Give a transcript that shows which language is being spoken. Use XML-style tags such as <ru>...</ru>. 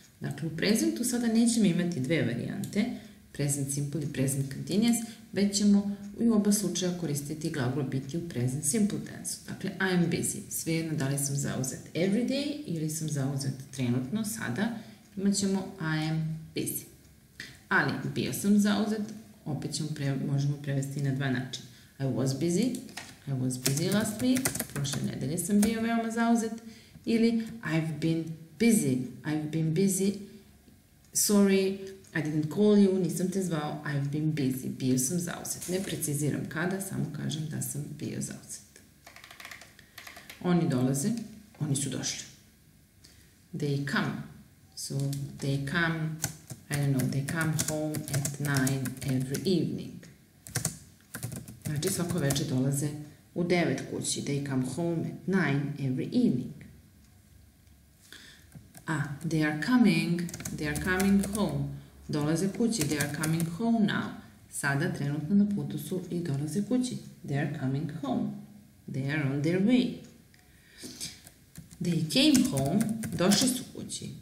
<sr>Dakle, u prezentu sada nećemo imati dve varijante.</sr> <en>Present simple i present continuous.</en> <sr>Već ćemo i u oba slučaja koristiti glagol biti u present simple tense. Dakle,</sr> <en>I am busy.</en> <sr>Svejedno da li sam zauzet</sr> <en>every day</en> <sr>ili sam zauzet trenutno, sada, imat ćemo</sr> <en>I am busy.</en> <sr>Ali, bio sam zauzet, opet možemo prevesti na dva načina.</sr> <en>I was busy last week.</en> <sr>Prošle nedelje sam bio veoma zauzet.</sr> <en>Ili I've been busy. Sorry, I didn't call you,</en> <sr>nisam te zvao,</sr> <en>I've been busy,</en> <sr>bio sam zauzet. Ne preciziram kada, samo kažem da sam bio zauzet. Oni dolaze, oni su došli.</sr> <en>They come. So, they come, I don't know, they come home at 9 every evening.</en> <sr>Znači, svako večer dolaze u 9 kući.</sr> <en>They come home at 9 every evening. Ah, they are coming home.</en> <sr>Dolaze kući,</sr> <en>they are coming home now.</en> <sr>Sada trenutno na putu su i dolaze kući.</sr> <en>They are coming home. They are on their way. They came home,</en> <sr>došli su kući.</sr>